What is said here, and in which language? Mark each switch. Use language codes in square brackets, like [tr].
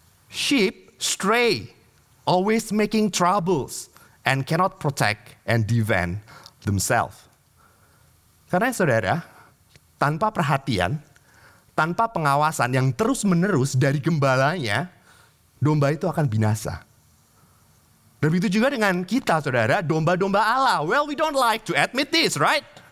[en] Sheep stray, always making troubles, and cannot protect and defend themselves. [id] Karena saudara, tanpa perhatian, tanpa pengawasan yang terus-menerus dari gembalanya, domba itu akan binasa. Dan begitu juga dengan kita, saudara, domba-domba Allah. [en] Well, we don't like to admit this, right?